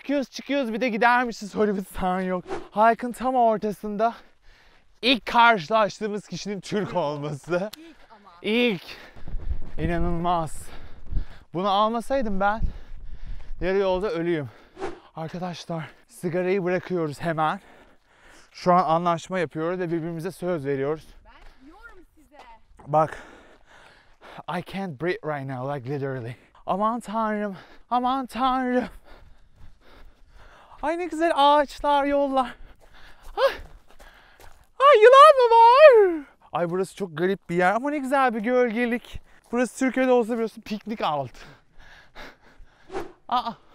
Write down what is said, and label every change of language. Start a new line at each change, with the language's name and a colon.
Turkish: Çıkıyoruz bir de gidermişiz, Hollywood sign yok. Hike'ın tam ortasında ilk karşılaştığımız kişinin Türk olması. İlk ama. İlk. İnanılmaz. Bunu almasaydım ben yarı yolda ölüyüm. Arkadaşlar sigarayı bırakıyoruz hemen. Şu an anlaşma yapıyoruz ve birbirimize söz veriyoruz. Ben yiyorum size. Bak.
English: I can't breathe right now, like literally.
Turkish: Aman tanrım. Aman tanrım. Ay ne güzel ağaçlar, yollar. Ay yılan mı var? Ay burası çok garip bir yer ama ne güzel bir gölgelik. Burası Türkiye'de olsa biliyorsun piknik altı. Aa.